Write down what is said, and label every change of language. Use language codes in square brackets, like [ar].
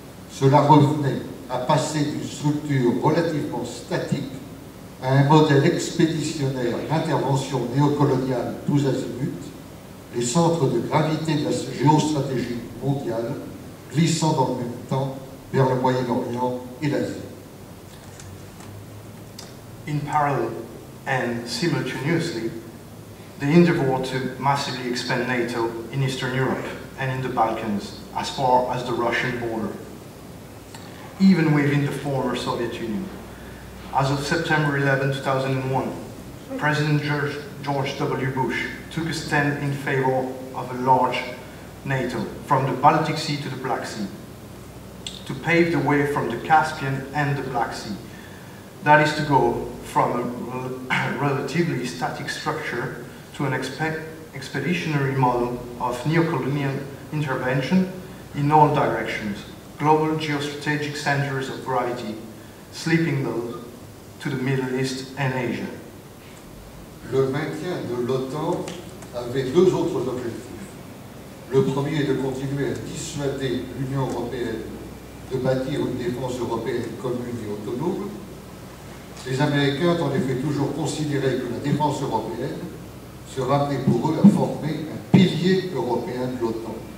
[fr] Cela revenait à passer d'une structure relativement statique à un modèle expéditionnaire d'intervention néocoloniale tous azimuts, les centres de gravité de la géostratégie mondiale glissant dans le même temps vers le Moyen-Orient et l'Asie. [en] In parallel and simultaneously, the endeavor to massively expand NATO in Eastern Europe and in the Balkans as far as the Russian border, even within the former Soviet Union. As of September 11, 2001, President George W. Bush took a stand in favor of a large NATO from the Baltic Sea to the Black Sea to pave the way from the Caspian and the Black Sea. That is to go from a relatively static structure to an expeditionary model of neocolonial intervention in all directions, global geostrategic centers of gravity, sleeping those to the Middle East and Asia. [fr] Le maintien de l'OTAN avait deux autres objectifs. Le premier est de continuer à dissuader l'Union européenne de bâtir une défense européenne commune et autonome. Les Américains ont en effet toujours considéré que la défense européenne sera amenée pour eux à former un pilier européen de l'OTAN.